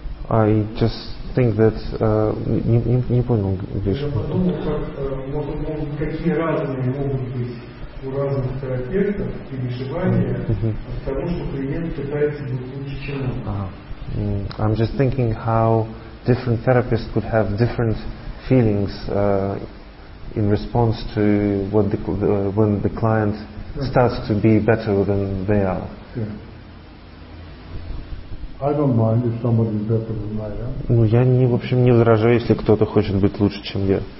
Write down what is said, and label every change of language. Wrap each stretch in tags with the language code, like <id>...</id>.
<en>I just think that</en> <ru>не понял,</ru> <en>Гриш.</en> <ru>Я подумал, как может какие разные могут быть у разных терапевтов и вышивания от того, что клиент пытается быть лучше, чем он.</ru> <en>I'm just thinking how different therapists could have different feelings in response to what when the client starts to be better than they are. Yeah. I don't mind if somebody is better than I am.</en> <ru>Ну я не, в общем, не возражаю, если кто-то хочет быть лучше, чем я.</ru>